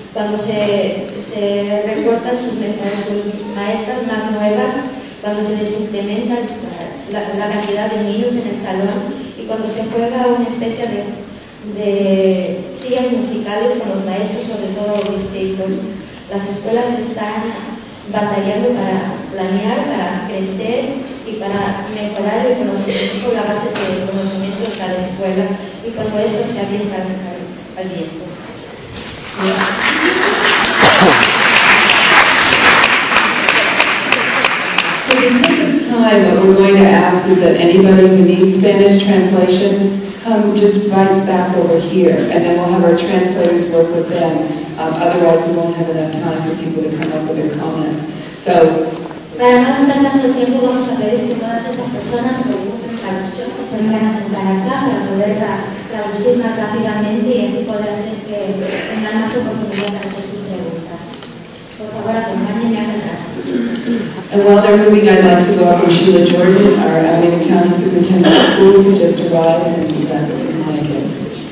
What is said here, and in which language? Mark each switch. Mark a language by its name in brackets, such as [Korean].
[Spanish] Cuando se recortan sus maestras más nuevas, cuando se les incrementa la cantidad de niños en el salón y cuando se juega una especie de sillas musicales con los maestros, sobre todo los distritos, las escuelas están batallando para planear, para crecer y para mejorar el conocimiento, la base de conocimiento de cada escuela, y cuando eso se avienta al viento. [English] So because of time, what we're going to ask is that anybody who needs Spanish translation come just right back over here, and then we'll have our translators work with them. Otherwise, we won't have enough time for people to come up with their comments. So, [Spanish] para no gastar tanto tiempo, vamos a pedir que todas esas personas que ocupen traducción que se vengan a sentar acá para poder traducir más rápidamente y así poder hacer que tengan más oportunidad de hacer sus preguntas. Por favor, acompáñenme atrás. [English] And while they're moving, I'd like to go up to Sheila Jordan, our Alameda County Superintendent of Schools, who just arrived and we've got the two mannequins.